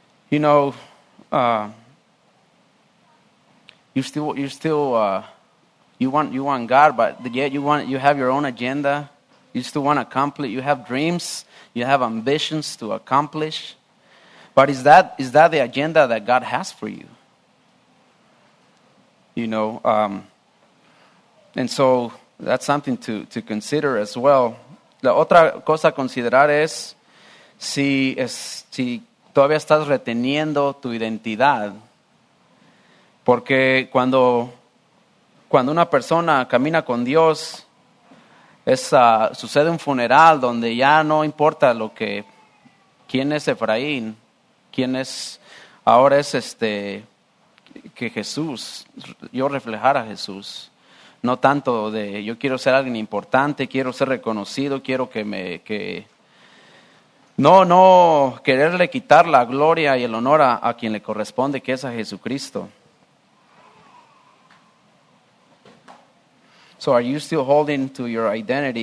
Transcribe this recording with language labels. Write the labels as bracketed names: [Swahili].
[English] You know, you want God, but yet you have your own agenda. You still want to accomplish. You have dreams. You have ambitions to accomplish. But is that the agenda that God has for you? You know, and so that's something to consider as well. [Spanish] La otra cosa a considerar es si todavía estás reteniendo tu identidad. Porque cuando una persona camina con Dios, Sucede un funeral donde ya no importa lo que, quién es Efraín, quién es, ahora es que Jesús, yo reflejar a Jesús. No tanto de yo quiero ser alguien importante, quiero ser reconocido, quiero que me, que no quererle quitar la gloria y el honor a quien le corresponde, que es a Jesucristo. [English] So are you still holding to your identity?